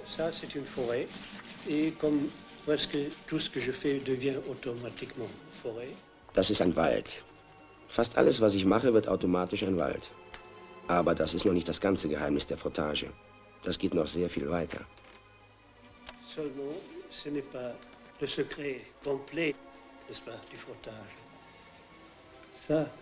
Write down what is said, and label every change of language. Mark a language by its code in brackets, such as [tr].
[fr] C'est une forêt et comme presque tout ce que je fais devient automatiquement forêt. [de] Das ist ein Wald. Fast alles, was ich mache, wird automatisch ein Wald. Aber das ist noch nicht das ganze Geheimnis der Frottage. Das geht noch sehr viel weiter. [fr] Seulement, ce n'est pas le secret complet, n'est-ce pas, du frottage.